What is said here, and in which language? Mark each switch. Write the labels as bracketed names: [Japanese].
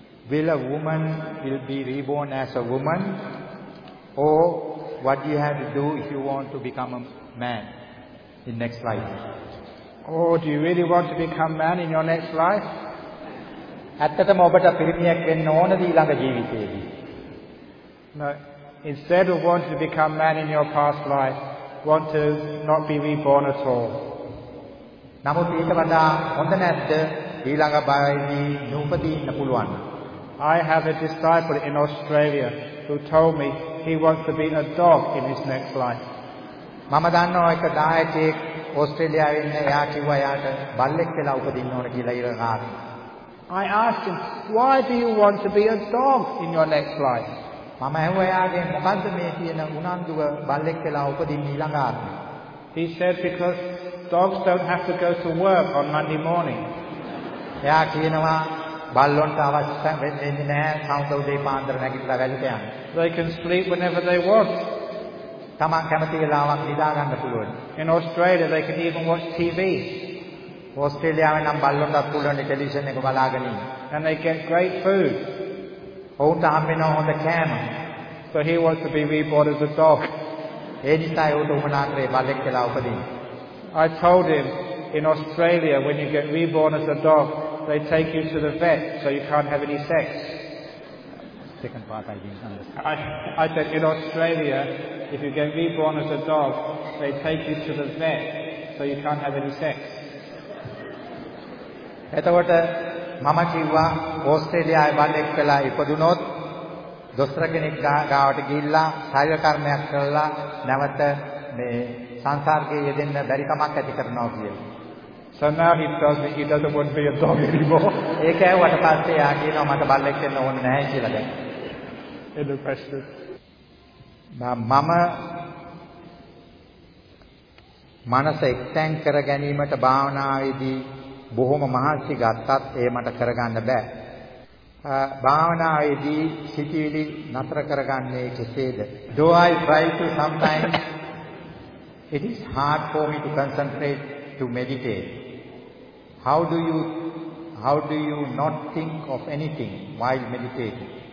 [English] Will a woman will be reborn as a woman or what do you have to do if you want to become a man in next life? Oh, do you really want to become man in your next life? [Sinhala] ඇත්තටම ඔබට පිරිමියෙක් වෙන්න ඕනද ඊළඟ ජීවිතේදී? [English] No, instead of wanting to become man in your past life, want to not be reborn at all. [Sinhala] නමුත් ඊට වඩා හොඳ නැද්ද ඊළඟ භවයේදී නූපදීන්න පුළුවන්. [English] I have a disciple in Australia who told me he wants to be a dog in his next life. [Sinhala] මම දන්නවා එක දායකයෙක් ඕස්ට්‍රේලියාවේ ඉන්න එයා කිව්වා එයාට බල්ලෙක් වෙලා උපදින්න ඕන කියලා ඊළඟ ආත්මේ. [English] I asked him, why do you want to be a dog in your next life? [Sinhala] මම හොයාගෙන මොකද්ද මේ තියෙන උනන්දුව බල්ලෙක් වෙලා උපදින්න ඊළඟ ආත්මේ. [English] He said because dogs don't have to go to work on Monday morning. [Sinhala] එයා කියනවා බල්ලොන්ට අවශ්‍ය වෙන්නේ නැහැ සවස උදේ පාන්දර නැගිටලා වැඩට යන්න. [English] They can sleep whenever they want. [Sinhala] තමන් කැමති වෙලාවක නිදා ගන්න පුළුවන්. [English] In Australia they can even watch TV. [Sinhala] ඕස්ට්‍රේලියාවේ නම් බල්ලොන්ට පුළුවන් ටෙලිවිෂන් එක බලාගෙන ඉන්න. [English] And they get great food. [Sinhala] ඔහුට හම්බෙන හොඳ කෑම. [English] So he wants to be reborn as a dog. [Sinhala] ඒ නිසා ඔහුට උමනාකරේ බල්ලෙක් කියලා උපදින්න. [English] I told him in Australia when you get reborn as a dog they take you to the vet so you can't have any sex. Second part I didn't understand. I said in Australia if you get reborn as a dog they take you to the vet so you can't have any sex. එතකොට මම කිව්වා ඕස්ට්‍රේලියාවේ බල්ලෙක් වෙලා ඉපදුනොත් දොස්තර කෙනෙක් ගාවට ගිහිල්ලා ශරීර කර්මයක් කරලා නැවත මේ සංසාරකේ යෙදෙන්න බැරි කමක් ඇති කරනවා කියලා. So now he tells me he doesn't want to be a dog anymore. ඒක ඇහුවට පස්සේ එයා කියනවා මට බල්ලෙක් වෙන්න ඕනේ නැහැ කියලා දැන්. Any questions? [Sinhala] මම මනස එක්තැන් කර ගැනීමට භාවනාවේදී බොහෝම මහන්සි ගත්තත් ඒ මට කරගන්න බෑ. භාවනාවේදී සිතිවිලි නතර කරගන්නේ කෙසේද? [English] Do I try to sometimes? It is hard for me to concentrate to meditate. How do you not think of anything while meditating?